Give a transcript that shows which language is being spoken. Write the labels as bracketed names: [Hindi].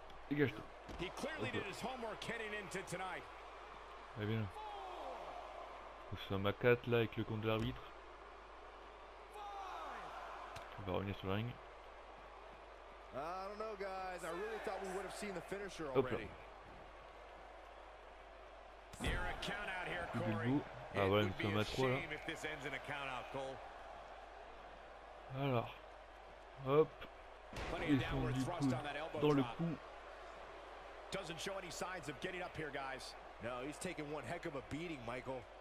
[English] He clearly did his homework heading into tonight. [French] Eh bien. Nous sommes à 4 là avec le compte de l'arbitre. On va revenir sur le ring. [English] I don't know, guys. I really thought we would have seen the finisher already. Near a count out here, Corey. [French] Ah ouais, nous sommes à 3 là. [English] If this ends in a count out, Cole. [French] Alors. Hop. Ils sont du coup dans le coup. [English] Doesn't show any signs of getting up here, guys. No, he's taking one heck of a beating, Michael.